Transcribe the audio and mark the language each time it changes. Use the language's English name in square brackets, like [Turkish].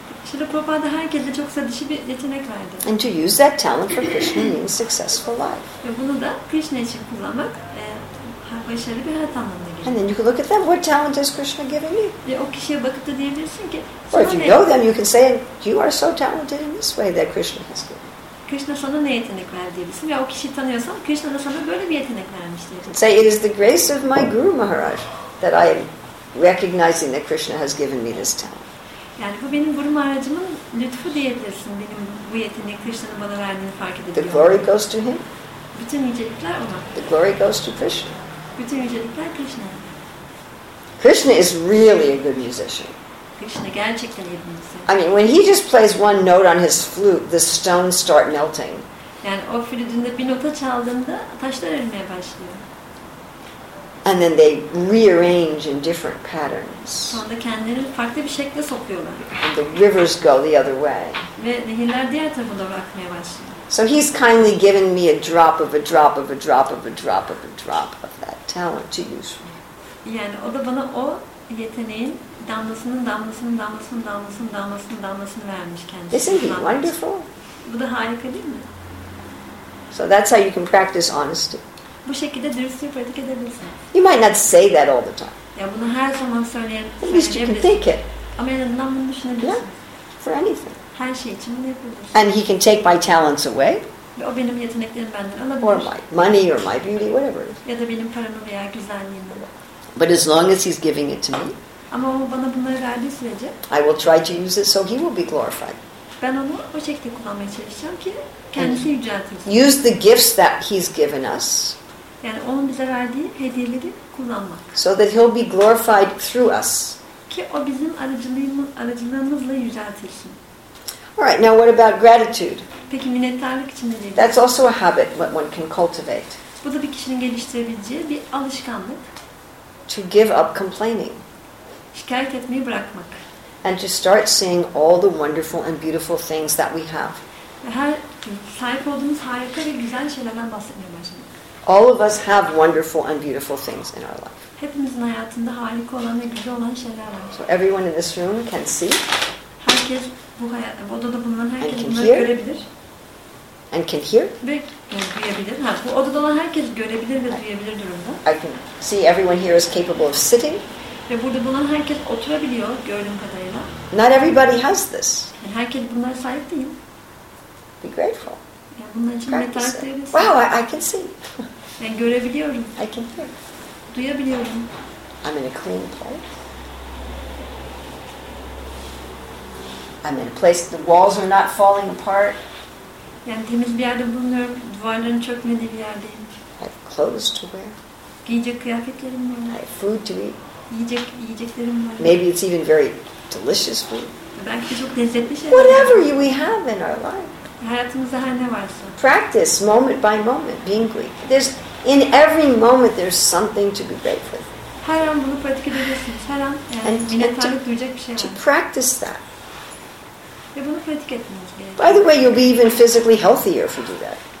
[Turkish] Şurada Prabhupada herkese çok sıradışı bir yetenek verdi. [English] And to use that talent for Krishna means successful life. [Turkish] Ve bunu da Krishna için kullanmak başarılı bir hayat anlamına gelir. [English] And then you can look at them. What talent has Krishna given you? [Turkish] Ve o kişiye bakıp da diyebilirsin ki, [English] or if you know them, you can say, you are so talented in this way that Krishna has given. [Turkish] Krishna sana ne yetenek verdi diyebilirsin. Ya o kişiyi tanıyorsan, Krishna da sana böyle bir yetenek vermiş diyebilirsin. [English] Say, it is the grace of my Guru Maharaj that I am recognizing that Krishna has given me this talent. [Turkish] Yani bu benim gurum aracımın lütfu diyebilirsin. Benim bu yetenek Krishna'nın bana verdiğini fark edebiliyorum. [English] The glory goes to him. [Turkish] Bütün yücelikler ona. [English] The glory goes to Krishna. [Turkish] Bütün yücelikler Krishna'ya. [English] Krishna is really a good musician. [Turkish] Krishna gerçekten iyi bir müzisyen. [English] I mean, when he just plays one note on his flute, the stones start melting. [Turkish] Yani o flütünde bir nota çaldığında taşlar erimeye başlıyor. [English] And then they rearrange in different patterns. [Turkish] Sonra kendini farklı bir şekle sokuyorlar. [English] And the rivers go the other way. [Turkish] Ve nehirler diğer tarafa doğru akmaya başlıyor. [English] So he's kindly given me a drop of a drop of a drop of a drop of a drop of that talent to use. [Turkish] Yani o da bana o yeteneğin damlasının damlasının damlasının damlasının damlasının damlasını vermiş kendisi. [English] Isn't he wonderful? [Turkish] Bu da harika değil mi? [English] So that's how you can practice honesty. [Turkish] Bu şekilde dürüstlüğü pratik edebilirsin. [English] You might not say that all the time. [Turkish] Ya bunu her zaman söyleyebilirsin. [English] At least you can think it. [Turkish] Ama en azından bunu düşünebilirsin. [English] Yeah, for anything. [Turkish] Her şey için bunu yapabilirsin. [English] And he can take my talents away. [Turkish] O benim yeteneklerimi benden alabilir. [English] Or my money or my beauty, whatever. [Turkish] Ya da benim paramı veya güzelliğimi. [English] But as long as he's giving it to me. [Turkish] Ama o bana bunları verdiği sürece. [English] I will try to use it so he will be glorified. [Turkish] Ben onu o şekilde kullanmaya çalışacağım ki kendisi yüceltilsin. [English] Use the gifts that he's given us. [Turkish] Yani onun bize verdiği hediyeleri kullanmak. [English] So that he'll be glorified through us. [Turkish] Ki o bizim aracılığımızla yüceltilsin. [English] All right, now what about gratitude? [Turkish] Peki minnettarlık için ne diyeyim? [English] That's also a habit that one can cultivate. [Turkish] Bu da bir kişinin geliştirebileceği bir alışkanlık. [English] To give up complaining. [Turkish] Şikayet etmeyi bırakmak. [English] And to start seeing all the wonderful and beautiful things that we have. [Turkish] Her sahip olduğumuz harika ve güzel şeylerden bahsetmeye başlamak. [English] All of us have wonderful and beautiful things in our life. [Turkish] Hepimizin hayatında harika olan ve güzel olan şeyler var. [English] So everyone in this room can see. [Turkish] Herkes bu odada bulunan herkes görebilir. [English] And can hear. [Turkish] Ve duyabilir. Ha, bu odada olan herkes görebilir ve duyabilir durumda. [English] I can see everyone here is capable of sitting. [Turkish] Ve burada bulunan herkes oturabiliyor gördüğüm kadarıyla. [English] Not everybody has this. [Turkish] Yani herkes bunlara sahip değil. [English] Be grateful. [Turkish] Yani [English] wow, I can see. [Turkish] Ben görebiliyorum. [English] I can hear. [Turkish] Duyabiliyorum. [English] I'm in a clean place. I'm in a place the walls are not falling apart. [Turkish] Yani temiz bir yerde bulunuyorum. Duvarların çökmediği bir yerdeyim. [English] I have clothes to wear. [Turkish] Giyecek kıyafetlerim var. [English] I have food to eat. [Turkish] Yiyeceklerim var. [English] Maybe it's even very delicious food. [Turkish] Belki de çok lezzetli şeyler. [English] Whatever we have in our life. [Turkish] Hayatımızda her ne varsa. [English] Practice moment by moment being grateful. There's in every moment there's something to be grateful. [Turkish] Her an bunu pratik edebilirsiniz. Her an minnettarlık duyacak bir şey var. [English] To practice that. [Turkish] Ve bunu pratik etmeniz gerekiyor. [English] By the way, you'll be even physically healthier if you do that.